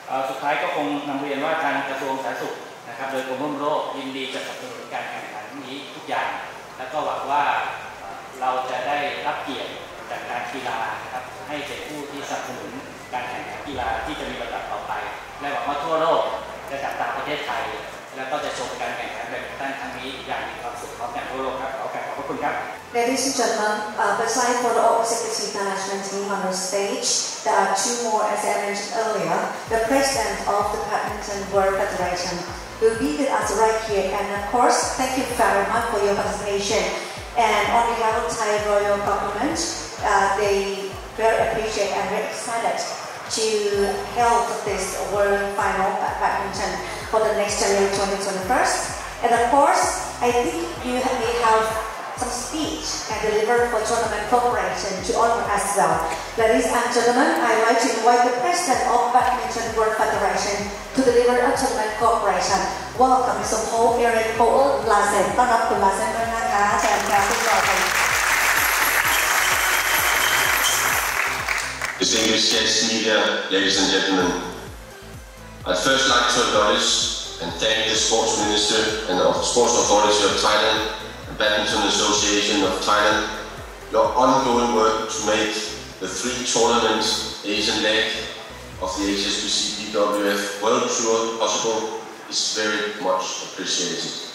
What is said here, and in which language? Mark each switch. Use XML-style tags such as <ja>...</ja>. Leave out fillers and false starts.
<th>สุดท้ายก็คงนำเรียนว่าทางกระทรวงสาธารณสุขนะครับโดยกรมควบคุมโรคยินดีจะสนับสนุนการแข่งขันนี้ทุกอย่างและก็หวังว่าเราจะได้รับเกียรติจากการกีฬานะครับให้เป็นผู้ที่สนับสนุนการแข่งขันกีฬาที่จะมีระดับต่อไปและหวังว่าทั่วโลกจะจับตาประเทศไทยและก็จะชมการแข่งขันแบดมินตันครั้งนี้อย่างมีความสุขพร้อมกันทั่วโลกครับขอกราบขอบพระคุณครับ</th> <en>Ladies and gentlemen, besides for the All Pacific International team on the stage, there are two more as I mentioned earlier. The president of the Badminton World Federation will be with us right here, and of course, thank you very much for your participation. And on behalf of Thai Royal Government, they very appreciate and very excited to help this World Final Badminton for the next year, 2021. And of course, I think you may have some speech and deliver for tournament preparation to honor as well. Ladies and gentlemen, I'd like to invite the President of Badminton World Federation to deliver a tournament preparation. Welcome, Mr. Paul Eric Paul Lassen.</en> <th>ต้อนรับคุณ Lassen ด้วยนะคะ แทนการที่รอคอย</th> <en>Distinguished guests, media, ladies and gentlemen, I'd first like to acknowledge and thank the Sports Minister and the Sports Authority of Thailand and Badminton Association of Thailand your ongoing work to make the three tournaments Asian leg of the HSBC BWF World Tour possible is very much appreciated.</en>